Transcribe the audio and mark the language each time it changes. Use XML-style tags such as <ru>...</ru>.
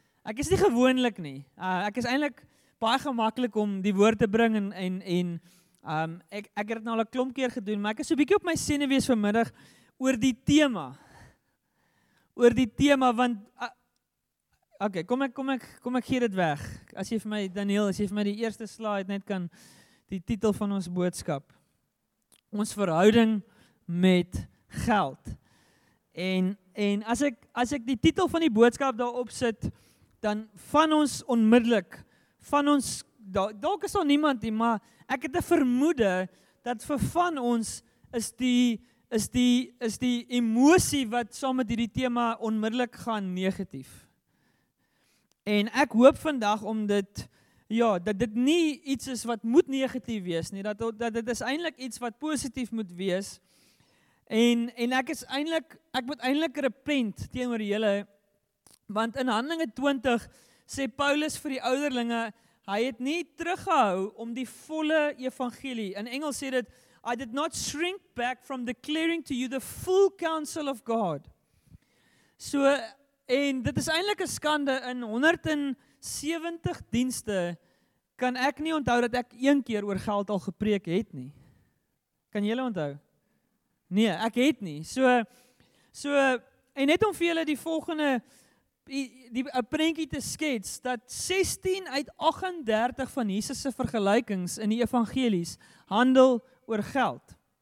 <af>Ek is nie gewoonlik nie. Ek is eintlik baie gemaklik om die woord te bring en ek het dit nou al 'n klomp keer gedoen, maar ek is so 'n bietjie op my senuwees vanmiddag oor die tema. Oor die tema, want okay, kom ek gee dit weg. As jy vir my Daniel, as jy vir my die eerste slide net kan die titel van ons boodskap. Ons verhouding met geld. En as ek die titel van die boodskap daarop sit, dan van ons onmiddellik, van ons, dalk is daar niemand nie, maar ek het 'n vermoede dat vir van ons is die emosie wat saam met hierdie tema onmiddellik gaan negatief. En ek hoop vandag om dit, ja, dat dit nie iets is wat moet negatief wees nie, dat dit is eintlik iets wat positief moet wees. En ek moet eintlik repent teenoor julle, want in Handelinge 20 sê Paulus vir die ouderlinge, hy het nie teruggehou om die volle evangelie. In Engels sê dit,</af> <en>I did not shrink back from declaring to you the full counsel of God.</en> <af>So, en dit is eintlik 'n skande in 170 dienste, kan ek nie onthou dat ek een keer oor geld al gepreek het nie. Kan julle onthou? Nee, ek het nie. So, en net om vir julle die volgende, die prentjie te skets, dat 16 uit 38 van Jesus' vergelykings in die evangelies handel oor geld.</af>